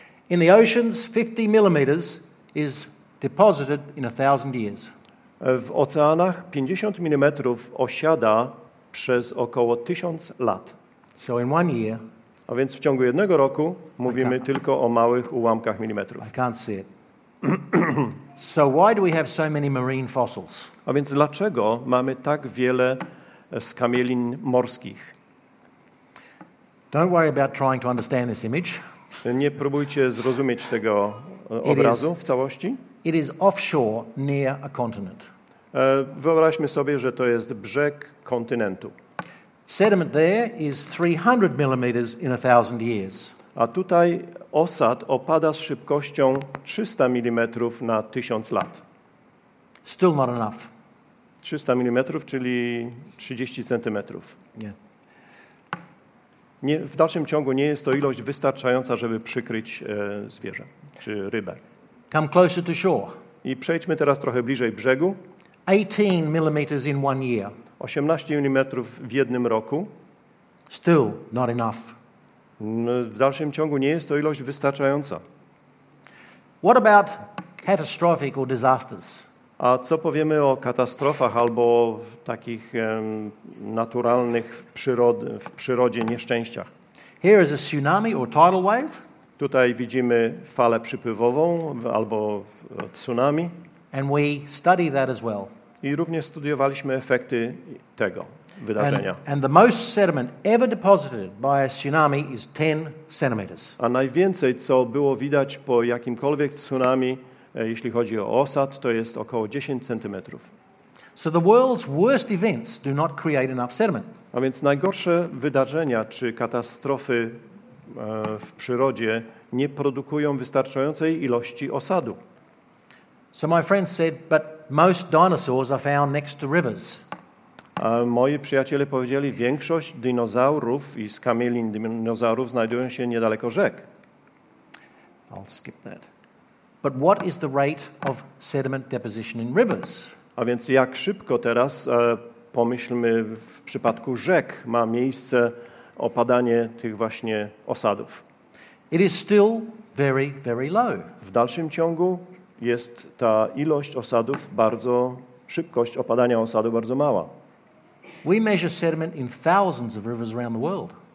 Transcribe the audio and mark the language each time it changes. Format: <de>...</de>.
<en>In the oceans, 50 millimeters is deposited in 1,000 years.</en> <pl>W oceanach 50 mm osiada przez około 1000 lat.</pl> <en>So in one year.</en> <pl>A więc w ciągu jednego roku mówimy tylko o małych ułamkach milimetrów.</pl> <en>I can't see it. So why do we have so many marine fossils?</en> <pl>A więc dlaczego mamy tak wiele skamielin morskich?</pl> <en>Don't worry about trying to understand this image.</en> <pl>Nie próbujcie zrozumieć tego obrazu w całości.</pl> <en>It is offshore near a continent.</en> <pl>Wyobraźmy sobie, że to jest brzeg kontynentu.</pl> <en>Sediment there is 300 millimeters in 1,000 years.</en> <pl>A tutaj osad opada z szybkością 300 mm na 1000 lat.</pl> <en>Still not enough.</en> <pl>300 mm, czyli 30 centymetrów.</pl> <en>Yeah.</en> <pl>nie, w dalszym ciągu nie jest to ilość wystarczająca, żeby przykryć zwierzę czy rybę.</pl> <en>Come closer to shore.</en> <pl>I przejdźmy teraz trochę bliżej brzegu.</pl> <en>18 millimeters in one year.</en> <pl>18 mm w jednym roku.</pl> <en>Still not enough.</en> <pl>W dalszym ciągu nie jest to ilość wystarczająca.</pl> <en>What about catastrophic or disasters?</en> <pl>A co powiemy o katastrofach albo takich naturalnych w przyrodzie nieszczęściach?</pl> <en>Here is a tsunami or tidal wave.</en> <pl>Tutaj widzimy falę przypływową albo tsunami.</pl> <en>And we study that as well.</en> <pl>I również studiowaliśmy efekty tego wydarzenia.</pl> <en>And the most sediment ever deposited by a tsunami is 10 centimeters.</en> <pl>A najwięcej, co było widać po jakimkolwiek tsunami, jeśli chodzi o osad, to jest około 10 centymetrów.</pl> <en>So the world's worst events do not create enough sediment.</en> <pl>A więc najgorsze wydarzenia czy katastrofy w przyrodzie nie produkują wystarczającej ilości osadu.</pl> <en>So my friend said, but most dinosaurs are found next to rivers.</en> <pl>A moi przyjaciele powiedzieli, większość dinozaurów i skamielin dinozaurów znajdują się niedaleko rzek.</pl> <en>I'll skip that. But what is the rate of sediment deposition in rivers?</en> <pl>A więc jak szybko teraz pomyślmy w przypadku rzek ma miejsce opadanie tych właśnie osadów.</pl> <en>It is still very, very low.</en> <pl>W dalszym ciągu jest ta ilość osadów bardzo, szybkość opadania osadu bardzo mała.</pl> <en>We measure sediment in thousands of rivers around the world.</en>